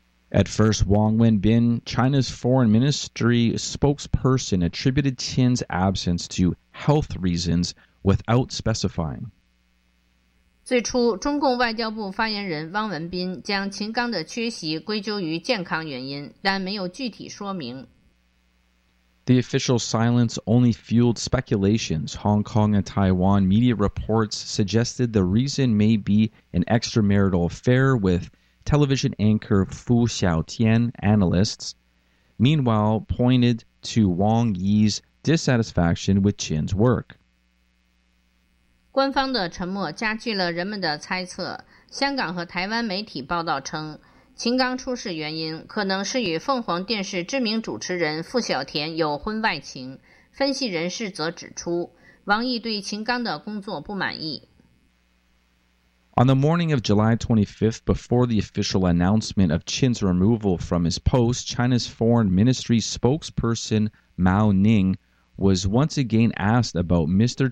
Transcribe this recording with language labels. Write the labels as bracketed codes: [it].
[en] At first, Wang Wenbin, China's foreign ministry spokesperson, attributed Qin's absence to health reasons without specifying. [zh] 最初，中共外交部发言人汪文斌将秦刚的缺席归咎于健康原因，但没有具体说明。 [en] The official silence only fueled speculations. Hong Kong and Taiwan media reports suggested the reason may be an extramarital affair with television anchor Fu Xiaotian analysts. Meanwhile, pointed to Wang Yi's dissatisfaction with Qin's work. [zh] 官方的沉默加剧了人们的猜测。香港和台湾媒体报道称，秦刚出事原因可能是与凤凰电视知名主持人傅小田有婚外情。分析人士则指出，王毅对秦刚的工作不满意。 [en] On the morning of July 25th, before the official announcement of Qin's removal from his post, China's foreign ministry spokesperson Mao Ning was once again asked about Mr.